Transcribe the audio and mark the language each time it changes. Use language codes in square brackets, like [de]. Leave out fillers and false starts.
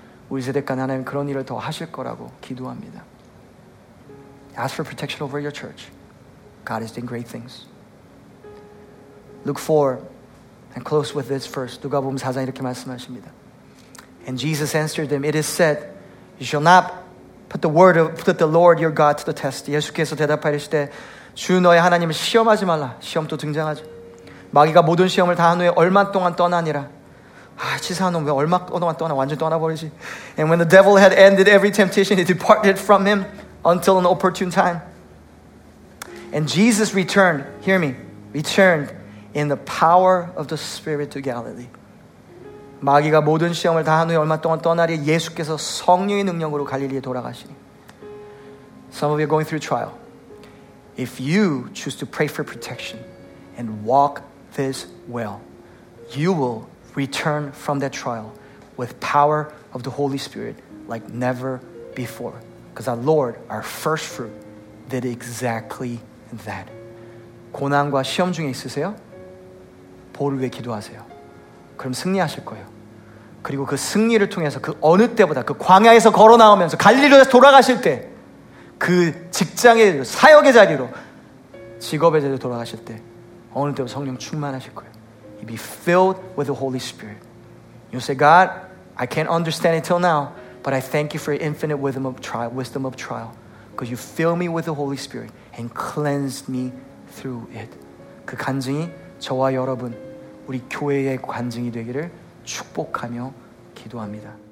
[ko] 우리 세대가 하나님 그런 일을 더 하실 거라고 기도합니다. [en] Ask for protection over your church. God is doing great things. Luke 4, and close with this verse. [ko] 누가복음 4장 이렇게 말씀하십니다. [en] And Jesus answered them, It is said, You shall not put the word of put the Lord your God to the test. [ko] 예수께서 대답하시되 주 너의 하나님을 시험하지 말라. 시험 또 등장하죠. 마귀가 모든 시험을 당한 후에 얼마 동안 떠나니라. 아, 치사한 놈 왜 얼마 동안 떠나? 완전 떠나버리지. [en] And when the devil had ended every temptation, he departed from him. Until an opportune time. And Jesus returned, hear me, returned in the power of the Spirit to Galilee. [ko] 마귀가 모든 시험을 다한 후에 얼마 동안 떠나리 예수께서 성령의 능력으로 갈릴리에 돌아가시니. [en] Some of you are going through trial. If you choose to pray for protection and walk this well, you will return from that trial with power of the Holy Spirit like never before. Because our Lord, our first fruit, did exactly that. [ko] 고난과 시험 중에 있으세요? 보호를 위해 기도하세요. 그럼 승리하실 거예요. 그리고 그 승리를 통해서 그 어느 때보다 그 광야에서 걸어 나오면서 갈릴리로 돌아가실 때 그 직장의 자리로, 사역의 자리로 직업의 자리로 돌아가실 때 어느 때부터 성령 충만하실 거예요. [en] He'll be filled with the Holy Spirit. You say, God, I can't understand it till now, but I thank you for your infinite wisdom of trial, because you fill me with the Holy Spirit and cleanse me through it. [ko] 그 간증이 저와 여러분, 우리 교회의 간증이 되기를 축복하며 기도합니다.